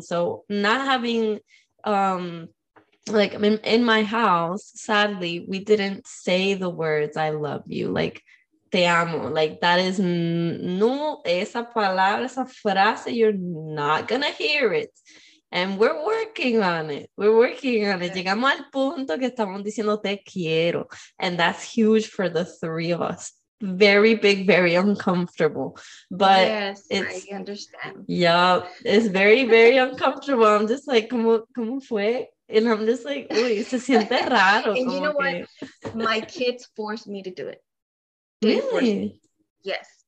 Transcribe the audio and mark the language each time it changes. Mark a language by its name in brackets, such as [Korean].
[English] So not having, in my house, sadly, we didn't say the words, I love you, like, te amo. Like, that is, no, esa palabra, esa frase, you're not going to hear it. And we're working on it. We're working on it. [Spanish] Llegamos al punto que estamos diciendo te quiero. [English] And that's huge for the three of us. Very big, very uncomfortable. But yes, it's, I understand. Yeah, it's very, very uncomfortable. I'm just like, ¿cómo fue? And I'm just like, uy, se siente raro. And you know what? My kids forced me to do it. Yes.